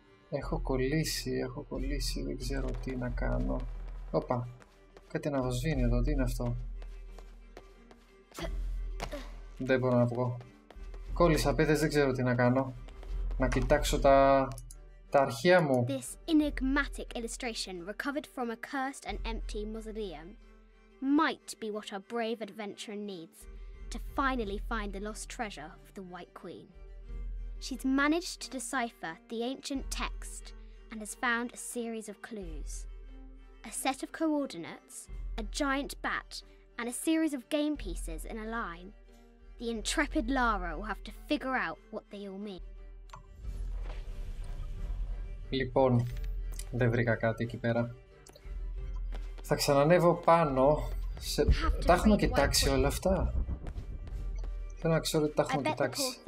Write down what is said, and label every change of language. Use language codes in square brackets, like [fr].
[el] Έχω κολλήσει, δεν ξέρω τι να κάνω. Όπα, κάτι να βοσβήνει εδώ, τι είναι αυτό. Δεν μπορώ να βγω. Κόλλησα πέτες, δεν ξέρω τι να κάνω. Να κοιτάξω τα αρχεία μου. [en] This enigmatic illustration recovered from a cursed and empty mausoleum might be what our brave adventurer needs to finally find the lost treasure of the White Queen. She's managed to decipher the ancient text and has found a series of clues. A set of coordinates, a giant bat, and a series of game pieces in a line. The intrepid Lara will have to figure out what they all mean. [el] Λοιπόν, δεν βρήκα κάτι εκεί πέρα. Θα ξανανεύω πάνω σε... Τα έχουμε κοιτάξει όλα αυτά. Δεν ξέρω τι τα έχουμε κοιτάξει.